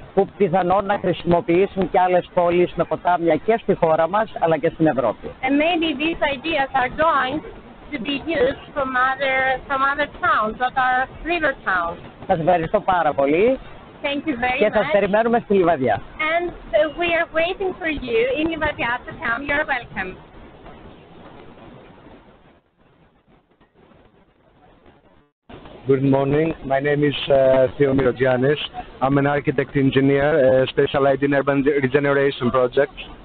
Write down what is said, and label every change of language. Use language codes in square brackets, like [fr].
[el] Που πιθανόν να χρησιμοποιήσουν και άλλες πόλεις με ποτάμια και στη χώρα μας, αλλά και στην Ευρώπη. [en] And maybe these ideas are going to be used from other towns that are river towns. [el] Σας ευχαριστώ πάρα πολύ. [en] Thank you very [el] much. Και σας περιμένουμε στη Λιβαδιά. [en] And we are waiting for you in Levadia to come. You're welcome. Good morning. My name is Theo Mirogiannis. I'm an architect engineer specialized in urban regeneration projects.